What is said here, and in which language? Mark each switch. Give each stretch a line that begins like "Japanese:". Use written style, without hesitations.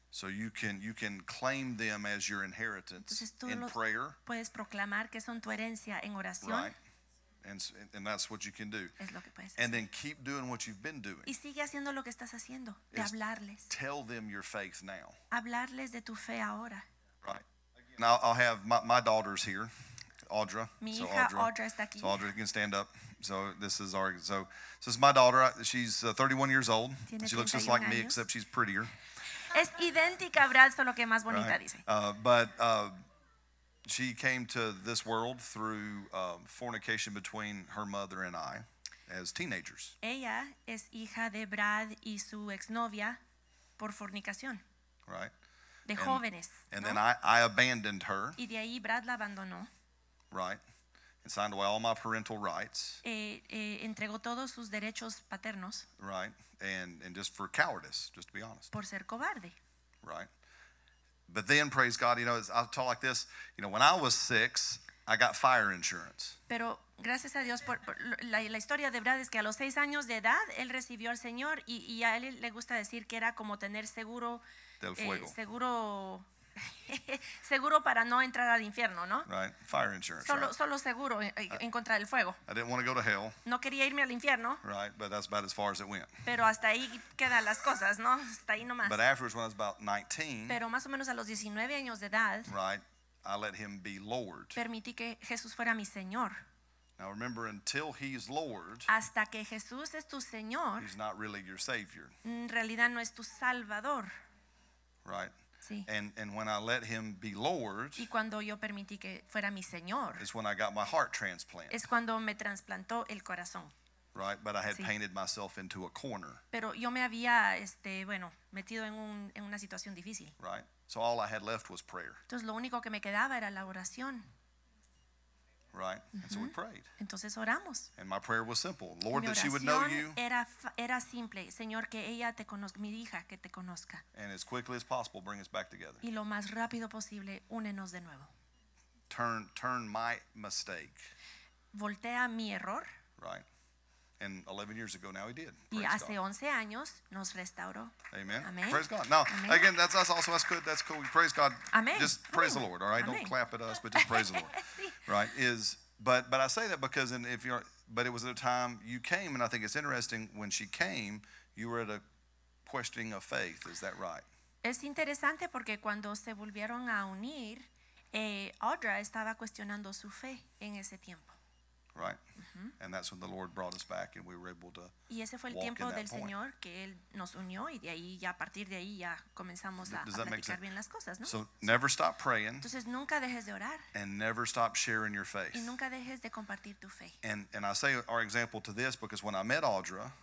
English: So you can claim them as your inheritance.
Spanish: Entonces, tú
English: in
Spanish: lo
English: prayer.
Spanish: Puedes proclamar que son tu herencia en oración.
English: Right. And that's what you can do.
Spanish: Es lo que puedes hacer.
English: And then keep doing what you've been doing.
Spanish: Y sigue haciendo lo que estás haciendo, de hablarles.
English: Tell them your faith now.
Spanish: Hablarles de tu fe ahora.
English: Right. Now I'll have my daughters here. Audra.
Spanish: Mi hija Audra está aquí.
English: So Audra can stand up. So this is our so this is my daughter. She's 31 years old. She looks just like
Spanish: años.
English: Me except she's prettier.
Spanish: Es idéntica, Brad, solo que más bonita,
English: right.
Spanish: Dice.
English: She came to this world through fornication between her mother and I as teenagers.
Spanish: Ella es hija de Brad y su exnovia por fornicación.
English: Right.
Spanish: De jóvenes.
English: And
Spanish: ¿no?
English: Then I abandoned her.
Spanish: Y de ahí Brad la abandonó.
English: Right. And signed away all my parental rights.
Spanish: Entregó todos sus derechos paternos.
English: Right. And just for cowardice, just to be honest.
Spanish: Por ser cobarde.
English: Right. But then, praise God, you know, I'll talk like this. You know, when I was six, I got fire insurance.
Spanish: Pero gracias a Dios por la historia de Brad es que a los seis años de edad él recibió al Señor y a él le gusta decir que era como tener seguro del fuego, seguro para no entrar al infierno, ¿no?
English: Right, fire insurance.
Spanish: Solo seguro en contra del fuego.
English: I didn't want to go to hell.
Spanish: No quería irme al infierno.
English: Right, but that's about as far as it went.
Spanish: Pero hasta ahí quedan las cosas, ¿no? Hasta ahí nomás.
English: But afterwards, when I was about 19,
Spanish: pero más o menos a los 19 años de edad,
English: right, I let him be Lord.
Spanish: Permití que Jesús fuera mi Señor.
English: Now remember, until he's Lord,
Spanish: hasta que Jesús es tu Señor,
English: he's not really your Savior.
Spanish: En realidad no es tu Salvador.
English: Right.
Spanish: Sí.
English: And when I let him be Lord,
Spanish: y cuando yo permití que fuera mi Señor,
English: is when I got my heart transplant.
Spanish: Es cuando me transplantó el corazón.
English: Right, but I had sí. painted myself into a corner.
Spanish: Pero yo me había, metido en una situación difícil.
English: Right, so all I had left was prayer.
Spanish: Entonces lo único que me quedaba era la oración.
English: Right, mm-hmm. And so we prayed.
Spanish: Entonces oramos.
English: And my prayer was simple, Lord, that she would know you.
Spanish: Era simple, Señor, que ella te conozca, mi hija, que te conozca.
English: And as quickly as possible, bring us back together.
Spanish: Y lo más rápido posible, únenos de nuevo.
English: Turn my mistake.
Spanish: Voltea mi error.
English: Right, and 11 years ago, now he did.
Spanish: Y hace 11 años nos restauró.
English: Amen. Amen. Praise God. Now, amen. Again, that's also that's good. That's cool. Praise God. Amen. Just praise the Lord. All right. Amen. Don't clap at us, but just praise the Lord. Right, but I say that because it was at a time you came, and I think it's interesting when she came, you were at a questioning of faith. Is that right?
Spanish: Es interesante porque cuando se volvieron a unir, Audra estaba cuestionando su fe en ese tiempo.
English: Right, mm-hmm. And that's when the Lord brought us back, and we were able to.
Spanish: Y ese fue el tiempo del Señor que él nos unió, y de ahí ya a partir de ahí ya comenzamos a practicar bien las cosas, ¿no?
English: So never stop praying.
Spanish: Entonces nunca dejes de orar.
English: And never stop sharing your faith.
Spanish: Y nunca dejes de compartir tu fe.
English: And I say our example to this because when I met Audra.